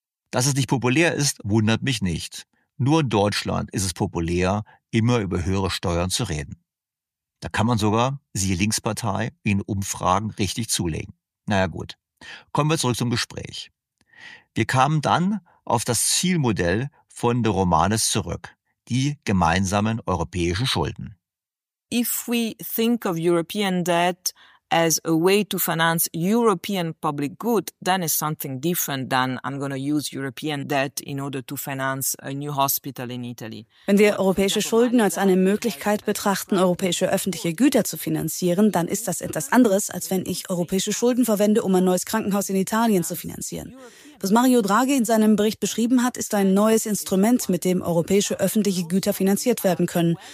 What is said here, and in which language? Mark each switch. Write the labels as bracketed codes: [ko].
[de] Dass es nicht populär ist, wundert mich nicht. Nur in Deutschland ist es populär, immer über höhere Steuern zu reden. Da kann man sogar, siehe Linkspartei, in Umfragen richtig zulegen. Naja gut, kommen wir zurück zum Gespräch. Wir kamen dann auf das Zielmodell von De Romanis zurück. Die gemeinsamen europäischen Schulden. [en] If we think of European debt as a way to finance European public good, then it's something different than I'm going to use European debt in order to finance a new hospital in Italy. [de] Wenn wir europäische Schulden als eine Möglichkeit betrachten, europäische öffentliche Güter zu finanzieren, dann ist das etwas anderes, als wenn ich europäische Schulden verwende, um ein neues Krankenhaus in Italien zu finanzieren. Was Mario Draghi in seinem Bericht beschrieben hat, ist ein neues Instrument, mit dem europäische öffentliche Güter finanziert werden können.